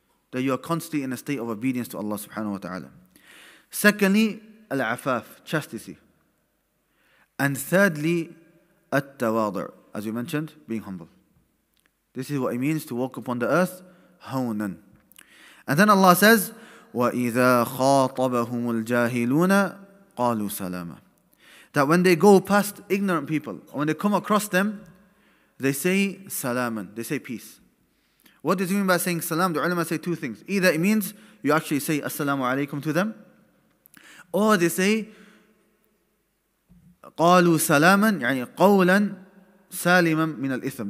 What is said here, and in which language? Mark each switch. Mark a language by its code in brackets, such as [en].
[en] That you are constantly in a state of obedience to Allah subhanahu wa ta'ala. Secondly, al-afaf, chastity. And thirdly, at-tawadu', as we mentioned, being humble. This is what it means to walk upon the earth, hawnan. And then Allah says, [ar] وَإِذَا خَاطَبَهُمُ الْجَاهِلُونَ قَالُوا سَلَامًا. [en] That when they go past ignorant people, when they come across them, they say salaman, they say peace. What does it mean by saying salam? The ulama say two things. Either it means you actually say assalamu alaikum to them, or they say [ar] qalu salaman, yani qawlan saliman min al-ithm.